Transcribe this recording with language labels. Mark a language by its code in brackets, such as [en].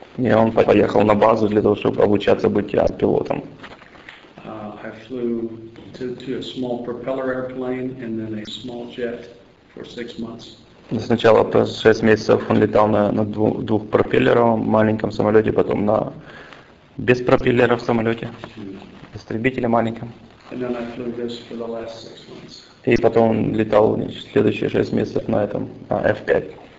[ru] И он поехал на базу для того, чтобы обучаться быть пилотом. [en] I flew to a small propeller airplane and then a small jet for 6 months. [ru] Сначала 6 месяцев он летал на двух пропеллеровом маленьком самолете, потом на без пропеллера в самолете, истребителе маленьком. [en] And then I flew this for the last 6 months. [ru] И потом он летал следующие 6 месяцев на этом F5.